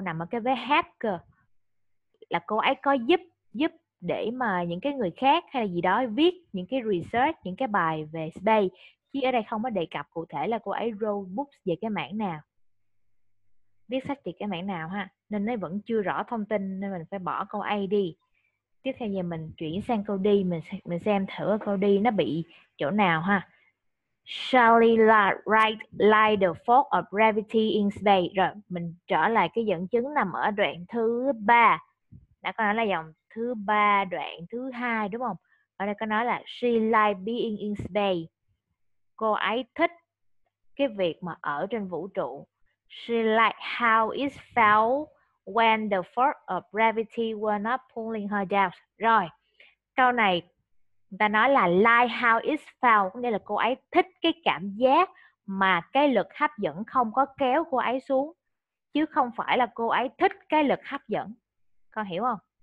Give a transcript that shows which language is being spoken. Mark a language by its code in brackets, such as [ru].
[vi] Nằm ở cái vế hacker. Là cô ấy có giúp để mà những cái người khác hay là gì đó viết những cái research, những cái bài về space. Chứ ở đây không có đề cập cụ thể là cô ấy [en] wrote books [vi] về cái mảng nào. Viết sách về cái mảng nào ha. Nên nó vẫn chưa rõ thông tin nên mình phải bỏ câu A đi. Tiếp theo giờ mình chuyển sang câu D. Mình xem thử câu D nó bị chỗ nào ha. [en] Charlie Wright like the force of gravity in space. [vi] Rồi mình trở lại cái dẫn chứng nằm ở đoạn thứ 3. Đã có nói là dòng thứ 3 đoạn thứ 2 đúng không? Ở đây có nói là [en] she like being in space. [vi] Cô ấy thích cái việc mà ở trên vũ trụ. [en] She liked how it felt when the force of gravity were not pulling her down. [vi] Rồi, câu này người ta nói là [en] like how it felt, [vi] nghĩa là cô ấy thích cái cảm giác mà cái lực hấp dẫn không có kéo cô ấy xuống, chứ không phải là cô ấy thích cái lực hấp dẫn. Con hiểu không?